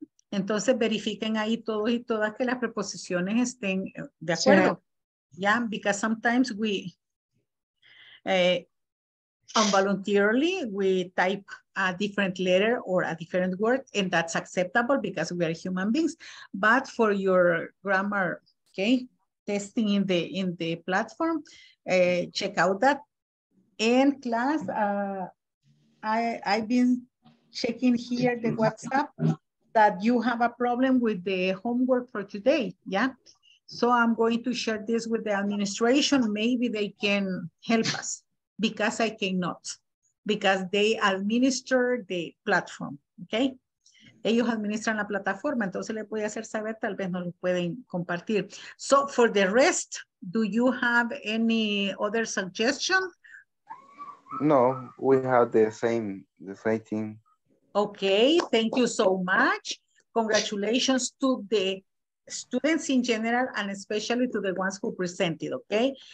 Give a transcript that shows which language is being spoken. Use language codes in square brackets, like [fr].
[es] Entonces verifiquen ahí todos y todas que las preposiciones estén de acuerdo. Sí. [en] Yeah, because sometimes we involuntarily we type a different letter or a different word, and that's acceptable because we are human beings. But for your grammar, okay, testing in the platform, check out that. In class, I've been checking here the WhatsApp that you have a problem with the homework for today, yeah? So I'm going to share this with the administration. Maybe they can help us, because I cannot, because they administer the platform, okay? [es] Ellos administran la plataforma, entonces le voy a hacer saber, tal vez no lo pueden compartir. [en] So for the rest, do you have any other suggestion? No, we have the same thing. Okay, thank you so much. Congratulations to the students in general and especially to the ones who presented, okay?